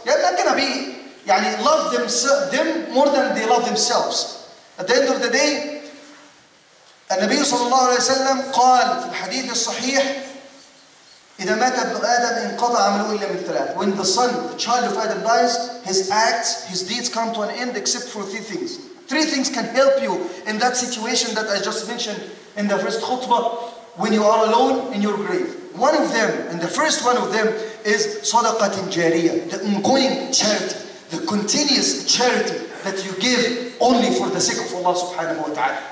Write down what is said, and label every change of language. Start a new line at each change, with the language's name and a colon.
English: You're not gonna be, يعني, love them more than they love themselves.
Arabic: At the end of the day, النبي صلى الله عليه وسلم قال في الحديث الصحيح, إذا مات ابن آدم انقطع عمله إلا من ثلاث.
English: When the son, the child of Adam dies, his acts, his deeds come to an end except for three things. Three things can help you in that situation that I just mentioned in the first khutbah, when you are alone in your grave. One of them, and the first one of them, is صدقة جارية, the ongoing charity, the continuous charity that you give only for the sake of Allah subhanahu wa ta'ala.